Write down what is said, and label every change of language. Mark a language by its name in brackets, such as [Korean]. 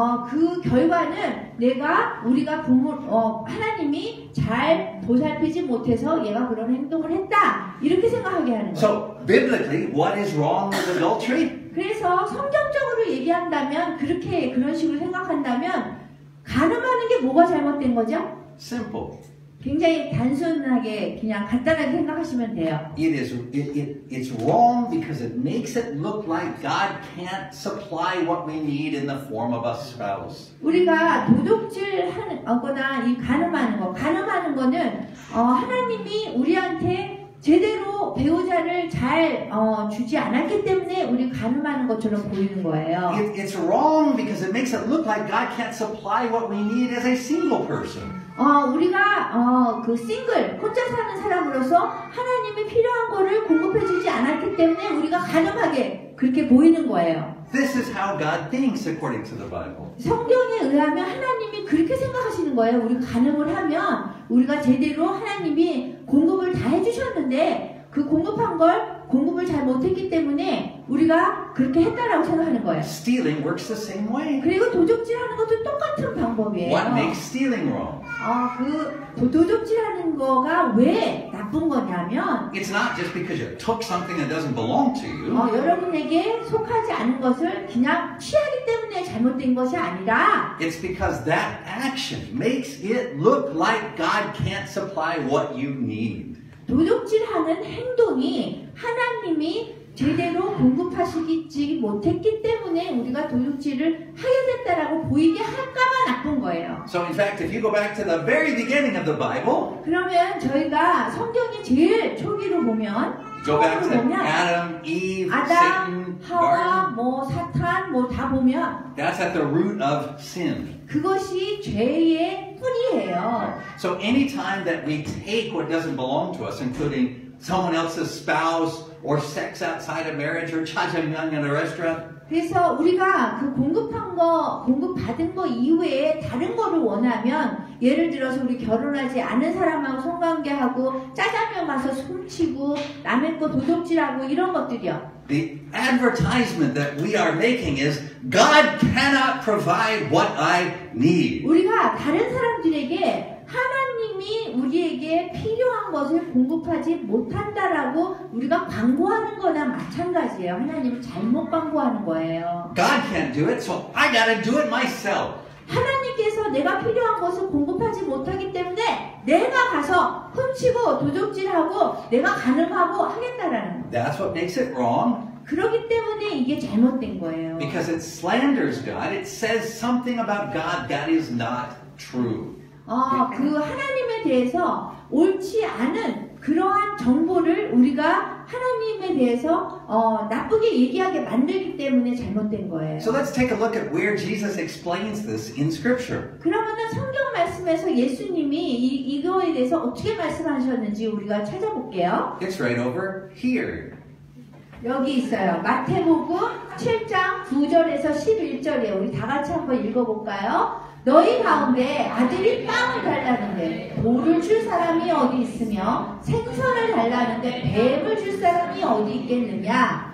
[Korean] 그 결과는 우리가 부모, 하나님이 잘 보살피지 못해서 얘가 그런 행동을 했다. 이렇게 생각하게 하는 거예요. [English] So, biblically, what is wrong with adultery? [Korean] 그래서 성경적으로 얘기한다면 그런 식으로 생각한다면 가늠하는 게 뭐가 잘못된 거죠? [English] simple. [Korean] 굉장히 단순하게 그냥 간단하게 생각하시면 돼요. [English] It's wrong because it makes it look like God can't supply what we need in the form of a spouse. [Korean] 우리가 도둑질하거나 이 간음하는 거, 간음하는 거는 하나님이 우리한테 제대로 배우자를 잘 주지 않았기 때문에 우리 간음하는 것처럼 보이는 거예요. [English] It's wrong because it makes it look like God can't supply what we need as a single person. [Korean] 우리가 그 싱글 혼자 사는 사람으로서 하나님이 필요한 거를 공급해 주지 않았기 때문에 우리가 간음하게 그렇게 보이는 거예요. [English] This is how God thinks according to the Bible. [Korean] 성경에 의하면 하나님이 그렇게 생각하시는 거예요. 우리 간음을 하면 우리가 제대로 하나님이 공급을 다 해주셨는데 그 공급한 걸 공급을 잘 못했기 때문에 우리가 그렇게 했다라고 생각하는 거예요. [English] Stealing works the same way. [Korean] 그리고 도둑질하는 것도 똑같은 방법이에요. [English] What makes stealing wrong? [Korean] 그 도둑질하는 거가 왜 나쁜 거냐면 [English] It's not just because you took something that doesn't belong to you. [Korean] 여러분에게 속하지 않은 것을 그냥 취하기 때문에 잘못된 것이 아니라 [English] It's because that action makes it look like God can't supply what you need. [Korean] 도둑질하는 행동이 하나님이 제대로 공급하시지 못했기 때문에 우리가 도둑질을 하게 됐다라고 보이게 할까봐 나쁜 거예요. [English] So in fact, if you go back to the very beginning of the Bible, [Korean] 그러면 저희가 성경이 제일 초기로 보면 [English] go back to Adam, Eve, 아담, Satan, [Korean] 하와, [English] Garden. [Korean] 뭐 사탄 뭐 다 보면 [English] that's at the root of sin. [Korean] 그것이 죄의 뿌리예요. [English] So anytime that we take what doesn't belong to us, including someone else's spouse or sex outside of marriage or 짜장면 in a restaurant. [Korean] 그래서 우리가 그 공급한 거, 공급받은 거 이외에 다른 거를 원하면 예를 들어서 우리 결혼하지 않은 사람하고 성관계하고 짜장면 가서 숨치고 남의 거 도둑질하고 이런 것들이요. [English] The advertisement that we are making is God cannot provide what I need. [Korean] 우리가 다른 사람들에게 하나님이 우리에게 필요한 것을 공급하지 못한다라고 우리가 광고하는 거나 마찬가지예요. 하나님은 잘못 광고하는 거예요. [English] God can't do it, so I gotta do it myself. [Korean] 하나님께서 내가 필요한 것을 공급하지 못하기 때문에 내가 가서 훔치고 도둑질하고 내가 간음하고 하겠다라는 거예요. [English] That's what makes it wrong. [Korean] 그러기 때문에 이게 잘못된 거예요. [English] Because it slanders God. It says something about God that is not true. [Korean] 그 하나님에 대해서 옳지 않은 그러한 정보를 우리가 하나님에 대해서 나쁘게 얘기하게 만들기 때문에 잘못된 거예요. [English] So let's take a look at where Jesus explains this in Scripture. [Korean] 그러면은 성경 말씀에서 예수님이 이거에 대해서 어떻게 말씀하셨는지 우리가 찾아볼게요. [English] It's right over here. [Korean] 여기 있어요. 마태복음 7장 9절에서 11절에 우리 다 같이 한번 읽어볼까요? 너희 가운데 아들이 빵을 달라는데 돌을 줄 사람이 어디 있으며 생선을 달라는데 뱀을 줄 사람이 어디 있겠느냐?